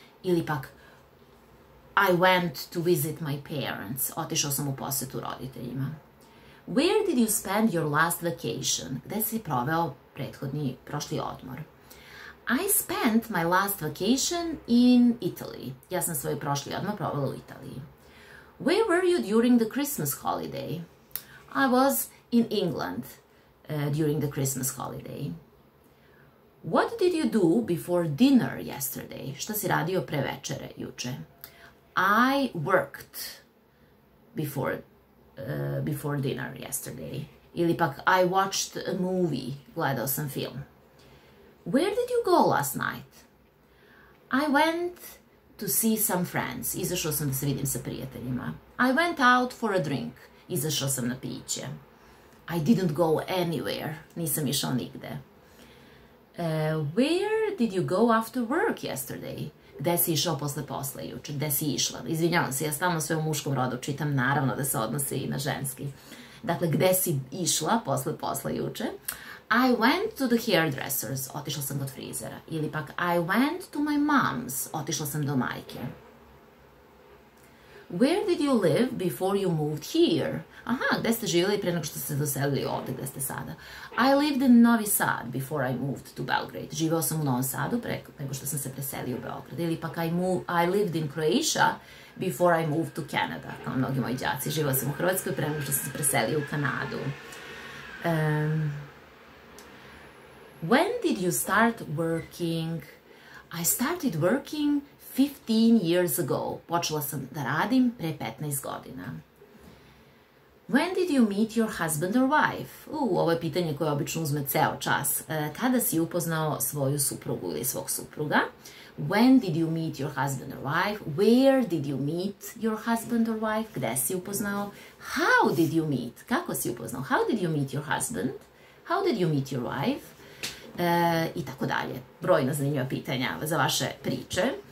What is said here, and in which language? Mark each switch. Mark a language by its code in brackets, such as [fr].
[sr] Ili pak, [en] I went to visit my parents. [sr] Otišao sam u posetu roditeljima. [en] Where did you spend your last vacation? [sr] Gde si proveo prethodni, prošli odmor? [en] I spent my last vacation in Italy. [sr] Ja sam svoj prošli odmor provela u Italiji. [en] Where were you during the Christmas holiday? I was in England during the Christmas holiday. What did you do before dinner yesterday? [sr] Šta si radio pre večere juče? [en] I worked before dinner yesterday. [sr] Ili pak, [en] I watched a movie, [sr] gledao sam film. [en] Where did you go last night? I went to see some friends. [sr] Izašao sam da se vidim sa prijateljima. [en] I went out for a drink. [sr] Izašao sam na piće. [en] I didn't go anywhere. [sr] Nisam išao nigde. [en] Where did you go after work yesterday? [sr] Gde si išao posle posla juče? Gde si išla? Izvinjavam se, ja stalno sve u muškom rodu čitam, naravno da se odnose i na ženski. Dakle, gde si išla posle posla juče? [en] I went to the hairdressers. [sr] Otišla sam kod frizera. Ili pak, [en] I went to my mom's. [sr] Otišla sam do majke. [en] Where did you live before you moved here? [sr] Aha, gde ste živjeli pre nego što ste doselili ovde, gde ste sada? [en] I lived in Novi Sad before I moved to Belgrade. [sr] Živeo sam u Novom Sadu pre nego što sam se preselio u Beograd. Ili pak [en] I lived in Croatia before I moved to Canada. [sr] Kao mnogi moji đaci, živeo sam u Hrvatskoj pre nego što sam se preselio u Kanadu. [en] When did you start working? I started working 15 years ago. Počela sam da radim pre 15 godina. When did you meet your husband or wife? [sr] Ovo je pitanje koje obično uzme ceo čas. Kada si upoznao svoju suprugu ili svog supruga? [en] When did you meet your husband or wife? Where did you meet your husband or wife? [sr] Gde si upoznao? [en] How did you meet? [sr] Kako si upoznao? [en] How did you meet your husband? How did you meet your wife? [sr] I tako dalje. Brojna zanimljiva pitanja za vaše priče.